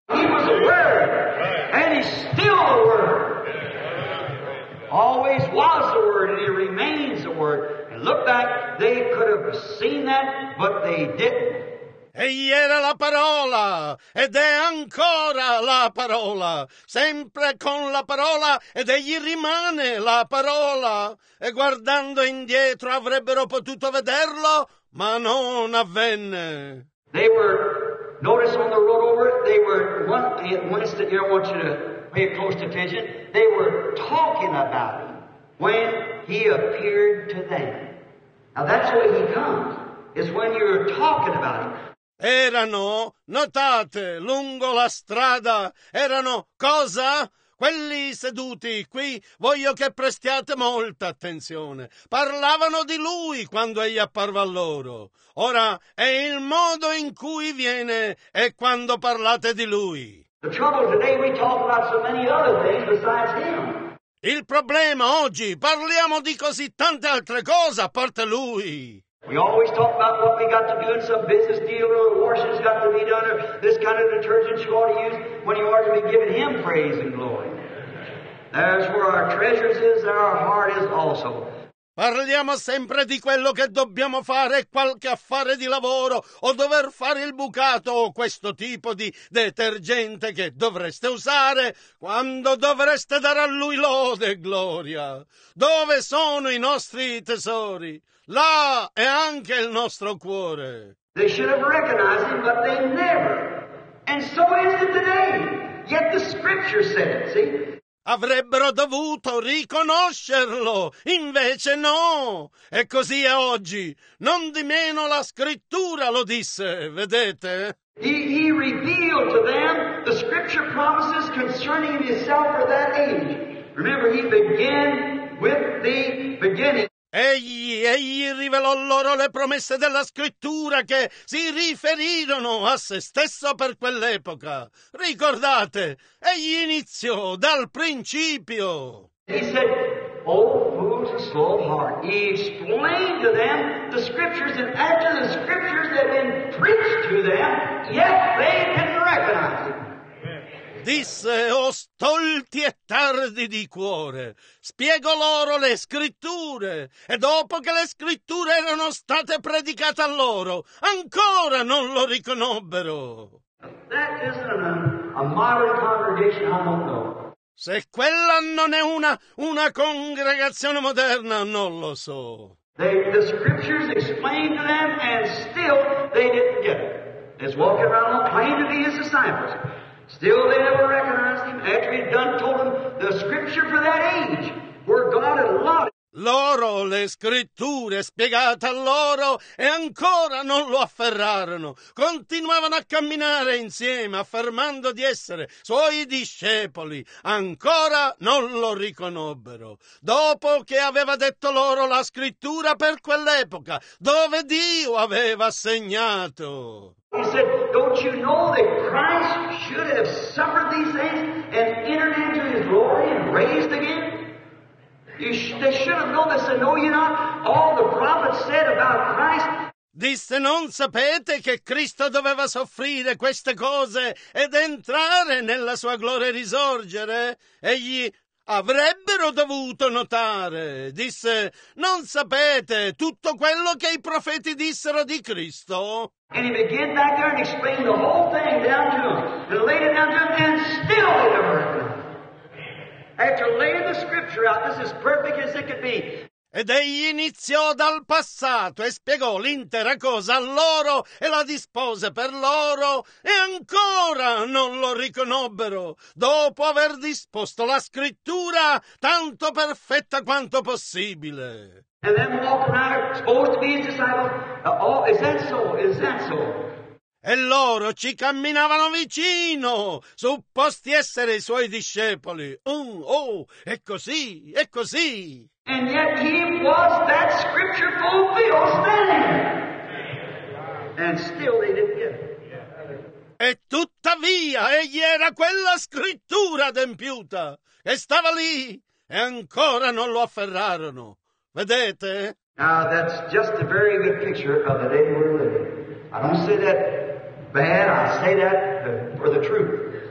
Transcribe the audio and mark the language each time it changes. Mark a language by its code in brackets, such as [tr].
[en] He was a word, and he's still a word. Always was a word, and he remains a word. And look back, they could have seen that, but they didn't. [it] Egli era la parola, ed è ancora la parola, sempre con la parola, ed egli rimane la parola. E guardando indietro avrebbero potuto vederlo, ma non avvenne. [en] They were, notice on the road over, they were, one instant here I want you to pay close attention, they were talking about him when he appeared to them. Now that's the way he comes, is when you're talking about him. [it] Erano, notate, lungo la strada, erano, cosa? Quelli seduti qui, voglio che prestiate molta attenzione. Parlavano di lui quando egli apparve a loro. Ora, è il modo in cui viene e quando parlate di lui. [en] The trouble today we talk about so many other things besides him. [it] Il problema oggi, parliamo di così tante altre cose a parte lui. [en] We always talk about what we got to do in some business deal or washing's got to be done or this kind of detergent you ought to use when you are to be giving him praise and glory. That's where our treasures is and our heart is also. [it] Parliamo sempre di quello che dobbiamo fare, qualche affare di lavoro o dover fare il bucato o questo tipo di detergente che dovreste usare quando dovreste dare a lui lode e gloria. Dove sono i nostri tesori? Là è anche il nostro cuore. [en] They should have recognized him, but they never. And so is it today. Yet the scripture said, see? [it] Avrebbero dovuto riconoscerlo, invece no. E così è oggi. Non di meno la scrittura lo disse, vedete? [en] He revealed to them the scripture promises concerning himself for that age. Remember, he began with the beginning. [it] Egli rivelò loro le promesse della scrittura che si riferirono a se stesso per quell'epoca. Ricordate, egli iniziò dal principio. [en] He said, oh, fools and slow of heart. He explained to them the scriptures, and after the scriptures had been preached to them, yet they didn't recognize it. [it] Disse, o stolti e tardi di cuore, spiego loro le scritture, e dopo che le scritture erano state predicate a loro, ancora non lo riconobbero. [en] That isn't a modern congregation, I don't know. [it] Se quella non è una congregazione moderna, non lo so. [en] The scriptures explained to them, and still they didn't get it. He's walking around on plain to be his disciples. Still they never recognized him after he'd done told them the scripture for that age where God had allotted. [it] Loro le scritture spiegate a loro e ancora non lo afferrarono. Continuavano a camminare insieme affermando di essere suoi discepoli. Ancora non lo riconobbero. Dopo che aveva detto loro la scrittura per quell'epoca dove Dio aveva segnato. [en] He said, don't you know that Christ should have suffered these things and entered into his glory and raised again? They should have known. They said, no, you're not. All the prophets said about Christ. [it] Disse, non sapete che Cristo doveva soffrire queste cose ed entrare nella sua gloria e risorgere? Egli avrebbero dovuto notare. Disse, non sapete tutto quello che i profeti dissero di Cristo? [en] And he began back there and explained the whole thing down to them and laid it down to them, and still they never heard. After laying the scripture out, this is perfect as it could be. [it] Ed egli iniziò dal passato e spiegò l'intera cosa a loro e la dispose per loro, e ancora non lo riconobbero, dopo aver disposto la scrittura tanto perfetta quanto possibile. [en] And then walk around, supposed to be his disciple. Oh, is that so? Is that so? [it] E loro ci camminavano vicino, supposti essere i suoi discepoli. È così, è così. [en] And yet he was that scripture fulfilled standing. And still they didn't get it. [it] E tuttavia egli era quella scrittura adempiuta. E stava lì, e ancora non lo afferrarono. Vedete? [en] Now that's just a very good picture of the day we're living. I don't say that bad, I say that for the truth.